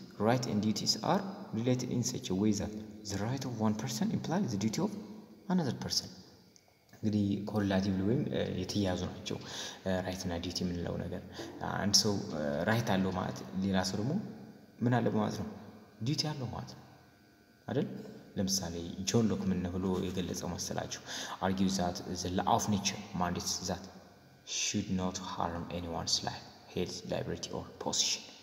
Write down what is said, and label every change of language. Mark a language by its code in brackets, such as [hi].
[en] Rights and duties are related in such a way that the right of one person implies the duty of another person. [am] እንግዲህ correlative ወይም የተያያዙ ናቸው right እና duty የምንለው ነገር። አንድ ሰው right አለው ማለት ሌላ ሰው ደግሞ ምን አለ ማለት ነው? duty አለው ማለት ነው አይደል? ለምሳሌ ጆን ሎክ ምን ብሎ የገለጸው መሰላችሁ? [en] argues that the law of nature mandates that should not harm anyone's life, health, liberty, or position.